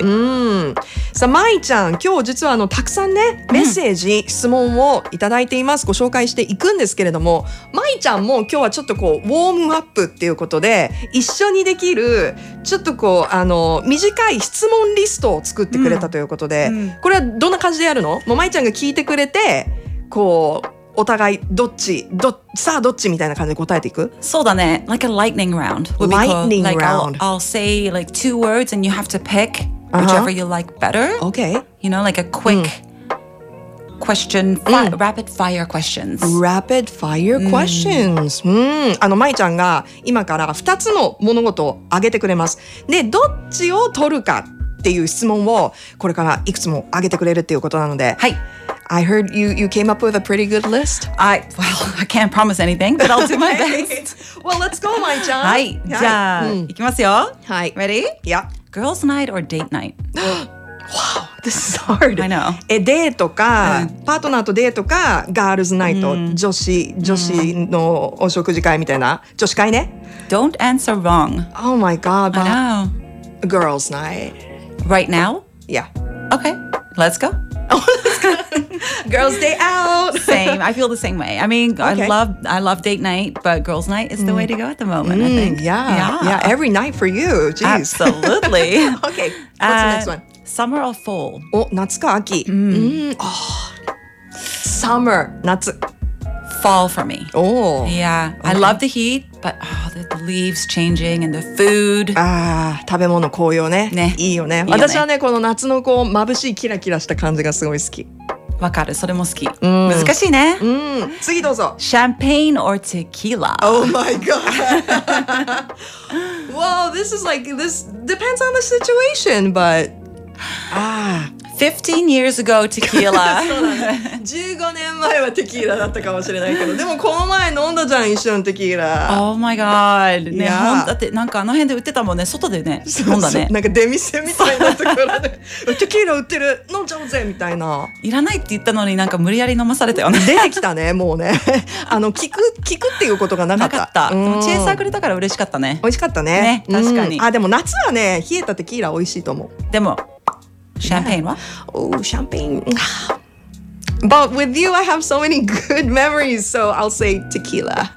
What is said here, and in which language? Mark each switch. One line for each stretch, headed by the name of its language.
Japanese: うん、さあ、まいちゃん、今日実はあのたくさんね、メッセージ、うん、質問をいただいています。ご紹介していくんですけれども、まいちゃんも今日はちょっとこうウォームアップっていうことで、一緒にできるちょっとこうあの短い質問リストを作ってくれたということで、うんうん、これはどんな感じでやるの？もうまいちゃんが聞いてくれて、こうお互いどっちどさあどっちみたいな感じで答えていく。そうだね、
English: like a lightning round would be called. Lightning like round. I'll say like two words and you have to pick whichever、uh-huh. you like better. Okay. You know, like a quick、mm. question, rapid fire questions. Rapid fire questions. Mm. Mm.
Japanese: あのまいちゃんが今から2つの物事を挙げてくれます。で、どっちを取るかっていう質問をこれからいくつも挙げてくれるっていうことなので、はい。
English: I heard you came up with a pretty good list. I can't promise anything, but I'll do my best. Well, let's go, my child.
Japanese: はい、じゃあ、うん、行きますよ。はい。
English: Ready? Yeah. Girls night or date night? Wow, this is hard. I know.
Japanese: デートか、パートナーとデートか、ガールズナイト、女子のお食事会みたいな。女子会ね。
English: Don't answer wrong. Oh my God. I know. Girls night. Right now? Yeah. Okay, let's go. Girls day out. Same. I feel the same way. I mean, okay. I love date night, but girls night is the way to go at the moment, I think. Yeah. Every night for you. Jeez. Absolutely. Okay. What's the next one? Summer or fall?
Japanese: Oh, 夏か秋? Mm.
English: Oh. Summer.
Japanese: 夏.
English: Fall. Oh, fall for me. Oh. Yeah. Okay. I love the heat, but oh, the leaves changing and the food.
Japanese: ああ、食べ物紅葉ね。ね。いいよね。いいよね。私はね、この夏のこう、眩しいキラキラした感じがすごい好き。わかる、それも好き、うん、難しいね、うん、次どうぞ。シャンペーン or テキーラ。
English: Oh my god. Well, this is like, this depends on the situation, but 15 years ago,
Japanese: テキーラ。そうだね、15年前はテキーラだったかもしれないけど、でもこの前飲んだじゃん、一緒のテキーラ。
English: Oh my god、ね、yeah.
Japanese: だってなんかあの辺で売ってたもんね、外でね、飲んだね。なんか出店みたいなところでテキーラ売ってる、飲んじゃおうぜみたいな。いらないって言ったのになんか無理やり飲まされたよね。出てきたね、もうね。あの聞くっていうことがなかった。なかった。でもチェイサーくれたから嬉しかったね。美味しかったね確かに。あ、でも夏はね、冷えたテキーラ美味しいと思う。でもシャンペーンは、
English: yeah. Oh, champagne. But with you, I have so many good memories, so I'll say tequila.